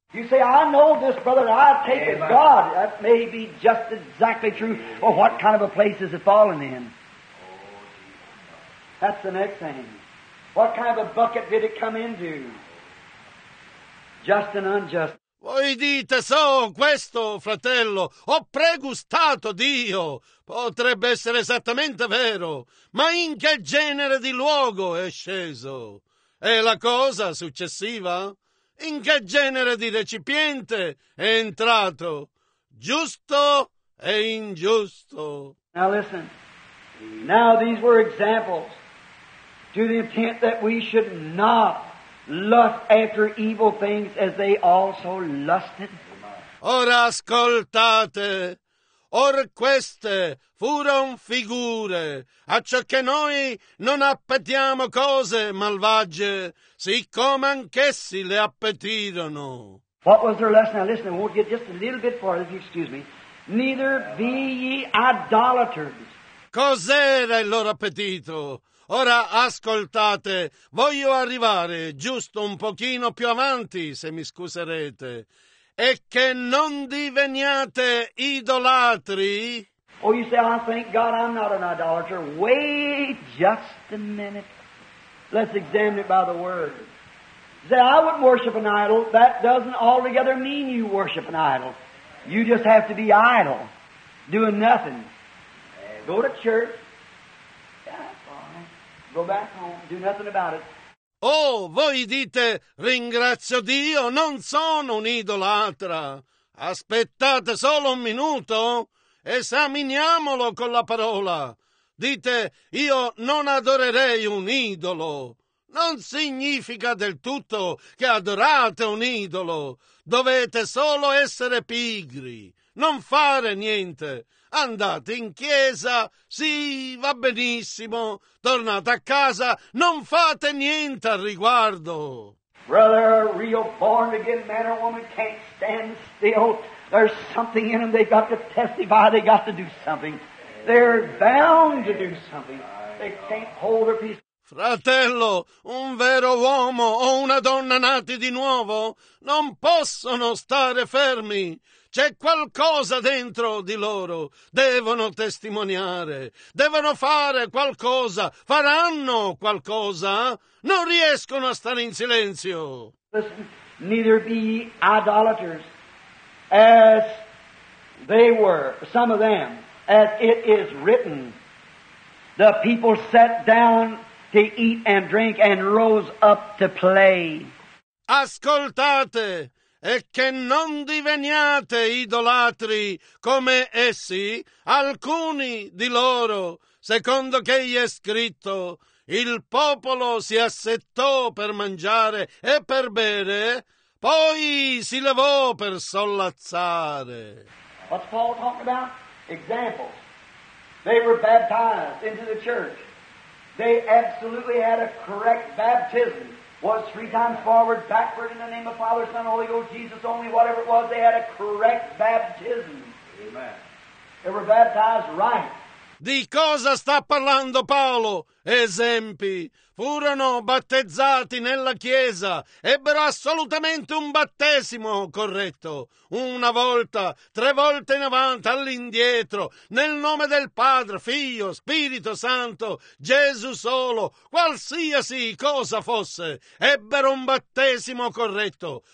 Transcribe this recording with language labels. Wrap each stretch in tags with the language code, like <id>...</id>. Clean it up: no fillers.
<en>You say, I know this, brother, I take it God. That may be just exactly true. Well, what kind of a place is it falling in? That's the next thing. What kind of a bucket did it come into? Just and unjust.</en> <it>Voi dite, so questo, fratello, ho pregustato Dio. Potrebbe essere esattamente vero. Ma in che genere di luogo è sceso? E la cosa successiva? In che genere di recipiente è entrato? Giusto e ingiusto.</it> <en>Now listen. Now these were examples to the intent that we should not lust after evil things as they also lusted.</en> <it>Ora ascoltate. Or queste furon figure, a ciò che noi non appetiamo cose malvagie, siccome anch'essi le appetirono.</it> <en>What was their lesson? Now listen, we'll get just a little bit farther, if you excuse me. Neither be ye idolaters.</en> <it>Cos'era il loro appetito? Ora ascoltate, voglio arrivare giusto un pochino più avanti, se mi scuserete. E che non diveniate idolatri.</it> <en>Oh, you say, I thank God I'm not an idolater. Wait just a minute. Let's examine it by the word. You say, I wouldn't worship an idol. That doesn't altogether mean you worship an idol. You just have to be idle, doing nothing. Go to church. Yeah, fine. Go back home. Do nothing about it.</en> <it>Oh, voi dite, ringrazio Dio, non sono un idolatra. Aspettate solo un minuto. Esaminiamolo con la parola. Dite, io non adorerei un idolo. Non significa del tutto che adorate un idolo. Dovete solo essere pigri, non fare niente. Andate in chiesa, sì, va benissimo. Tornate a casa, non fate niente al riguardo.</it> <en>Brother, a real born again man or woman can't stand still. There's something in them they've got to testify, they've got to do something. They're bound to do something. They can't hold their peace.</en> <it>Fratello, un vero uomo o una donna nati di nuovo non possono stare fermi. C'è qualcosa dentro di loro. Devono testimoniare. Devono fare qualcosa. Faranno qualcosa. Non riescono a stare in silenzio.</it> <en>Listen, neither be idolaters as they were, some of them, as it is written, the people sat down to eat and drink and rose up to play.</en> <it>Ascoltate, e che non diveniate idolatri come essi, alcuni di loro, secondo che gli è scritto, il popolo si assettò per mangiare e per bere, poi si levò per sollazzare.</it> <en>What's Paul talking about? Examples. They were baptized into the church. They absolutely had a correct baptism. Was three times forward, backward in the name of Father, Son, Holy Ghost, Jesus only, whatever it was, they had a correct baptism. Amen. They were baptized right.</en> <it>Di cosa sta parlando Paolo? Esempi. Furono battezzati nella chiesa, ebbero assolutamente un battesimo corretto. Una volta, tre volte in avanti, all'indietro, nel nome del Padre, Figlio, Spirito Santo, Gesù solo, qualsiasi cosa fosse, ebbero un battesimo corretto.</it>